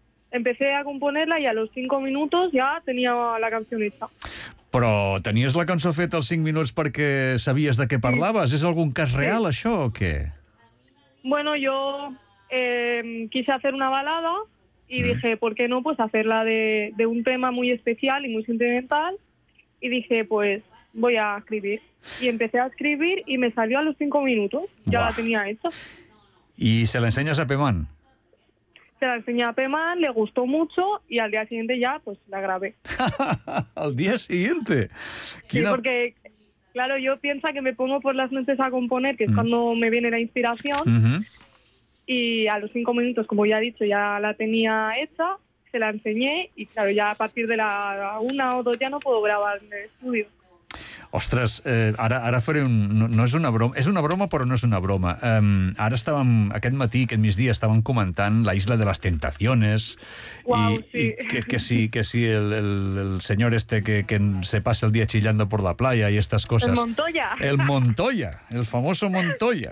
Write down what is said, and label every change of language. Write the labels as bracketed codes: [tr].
[es] Empecé a componerla y a los 5 minutos ya tenía la canción hecha. [ca] Però tenies la cançó feta als 5 minuts perquè sabies de què parlaves? Sí. És algun cas real, sí. Això, o què? [es] Bueno, yo... quise hacer una balada y dije, ¿por qué no? Pues hacerla de un tema muy especial y muy sentimental. Y dije, pues voy a escribir. Y empecé a escribir y me salió a los 5 minutos. Ya la tenía hecha. ¿Y se la enseñas a Peman? se la enseñé a Pemán, le gustó mucho y al día siguiente ya pues la grabé. ¿Al día siguiente? Sí, porque claro, yo pienso que me pongo por las noches a componer, que es cuando me viene la inspiración, y a los 5 minutos, como ya he dicho, ya la tenía hecha, se la enseñé y claro, ya a partir de la 1 o 2 ya no puedo grabar en el estudio. [ca] Ostres, ara faré un... No és una broma, és una broma, però no és una broma. Ara estàvem, aquest matí, aquest migdia, estàvem comentant La Isla de las Tentaciones. Uau, i, sí. I que sí, el senyor este que se passa el dia [es] chillando por la playa [ca] i estas coses. El Montoya. El Montoya, el famoso Montoya.